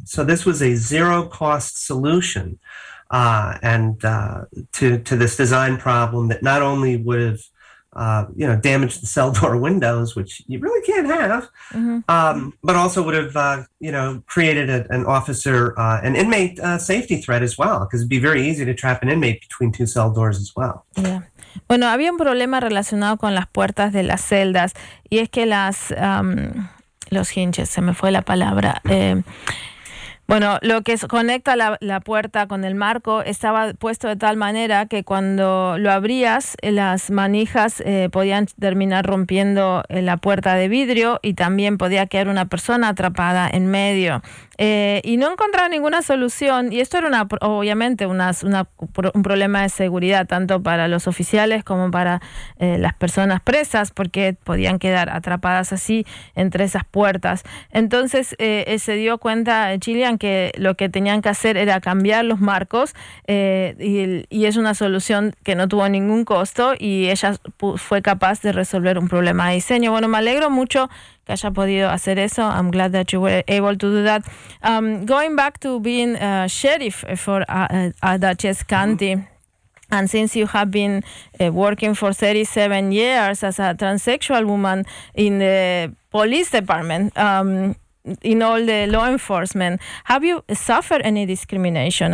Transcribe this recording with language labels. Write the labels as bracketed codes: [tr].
[en] So this was a zero cost solution. To this design problem that not only would have, damaged the cell door windows, which you really can't have, but also would have, created an officer, an inmate safety threat as well, because it'd be very easy to trap an inmate between two cell doors as well. Yeah. [es] Bueno, había un problema relacionado con las puertas de las celdas, y es que las, los hinges, se me fue la palabra, bueno, lo que conecta la puerta con el marco estaba puesto de tal manera que cuando lo abrías, las manijas podían terminar rompiendo la puerta de vidrio y también podía quedar una persona atrapada en medio. Y no encontraba ninguna solución, y esto era un problema de seguridad tanto para los oficiales como para las personas presas, porque podían quedar atrapadas así entre esas puertas. Entonces se dio cuenta Chilean que lo que tenían que hacer era cambiar los marcos, y es una solución que no tuvo ningún costo y ella fue capaz de resolver un problema de diseño. Bueno, me alegro mucho que haya podido hacer eso. [en] I'm glad that you were able to do that. Going back to being a sheriff for Dutchess County, and since you have been working for 37 years as a transsexual woman in the police department, in all the law enforcement, have you suffered any discrimination?